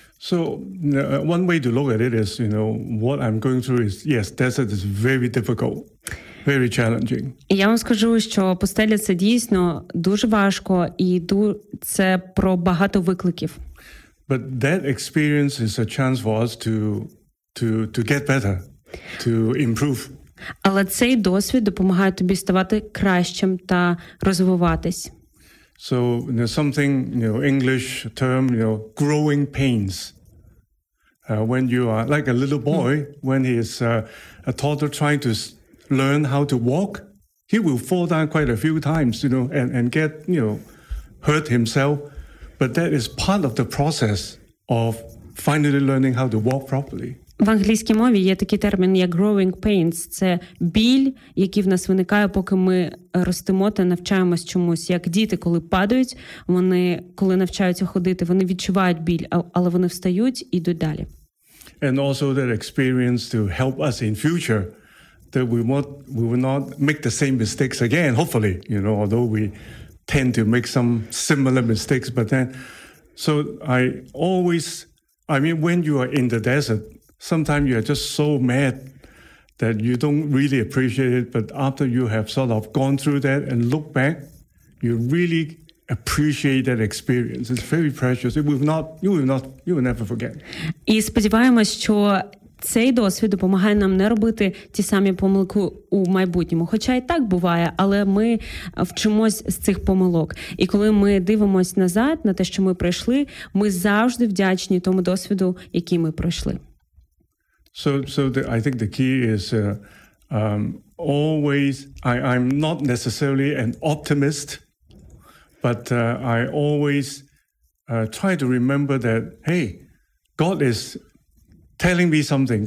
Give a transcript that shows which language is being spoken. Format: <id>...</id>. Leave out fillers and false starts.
<en>So, one way to look at it is, you know, what I'm going through is, yes, desert is very difficult. Very challenging.</en> <uk>Я вам скажу, що пустеля – це дійсно дуже важко, і це про багато викликів.</uk> <en>But that experience is a chance for us to get better, to improve.</en> <uk>Але цей досвід допомагає тобі ставати кращим та розвиватись.</uk> <en>So, you know, something, you know, English term, you know, growing pains. When you are like a little boy, when he is a toddler trying to learn how to walk, he will fall down quite a few times, you know, and get, you know, hurt himself. But that is part of the process of finally learning how to walk properly.</en> <uk>В англійській мові є такий термін як growing pains. Це біль, який в нас виникає, поки ми ростемо та навчаємось чомусь. Як діти, коли падають, вони, коли навчаються ходити, вони відчувають біль, але вони встають і йдуть далі.</uk> <en>And also that experience to help us in future, that we will not make the same mistakes again, hopefully, you know, although we tend to make some similar mistakes, but then, so I always, I mean, when you are in the desert, sometimes you are just so mad that you don't really appreciate it, but after you have sort of gone through that and look back, you really appreciate that experience. It's very precious. You will never forget.</en> <uk>І сподіваємось, що цей досвід допомагає нам не робити ті самі помилки у майбутньому. Хоча і так буває, але ми вчимось з цих помилок. І коли ми дивимось назад на те, що ми пройшли, ми завжди вдячні тому досвіду, який ми пройшли.</uk> <en>So I think the key is always, I'm not necessarily an optimist, but I always try to remember that, hey, God is telling me something.</en>